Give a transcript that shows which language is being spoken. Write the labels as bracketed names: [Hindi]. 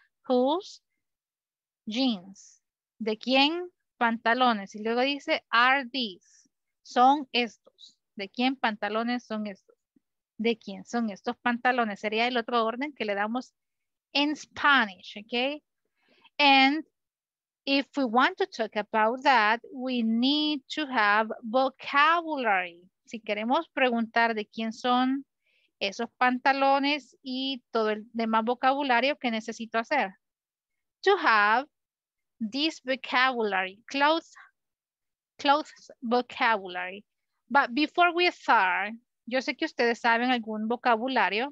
[English] Whose jeans? [Spanish] ¿De quién pantalones? Y luego dice, [English] are these? [Spanish] Son estos. ¿De quién pantalones son estos? ¿De quién son estos pantalones? Sería el otro orden que le damos en Spanish, ¿ok? [English] And if we want to talk about that, we need to have vocabulary. [Spanish] Si queremos preguntar de quién son esos pantalones y todo el demás vocabulario que necesito hacer. [English] To have this vocabulary, clothes vocabulary. But before we start, [Spanish] yo sé que ustedes saben algún vocabulario.